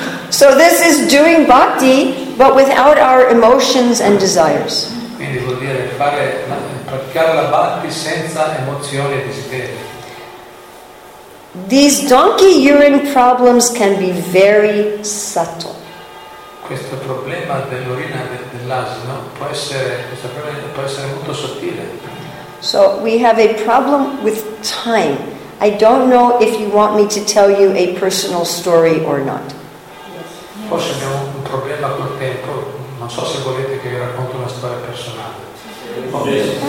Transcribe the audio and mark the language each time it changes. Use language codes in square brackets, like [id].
[en] So this is doing bhakti, but without our emotions and desires. [it] Quindi vuol dire praticare la bhakti senza emozioni e desideri. [en] These donkey urine problems can be very subtle. [it] Questo problema dell'urina dell'asino può essere molto sottile. [en] So we have a problem with time. I don't know if you want me to tell you a personal story or not. Yes. [it] Forse abbiamo un problema col tempo. Non so se volete che io racconto una storia personale.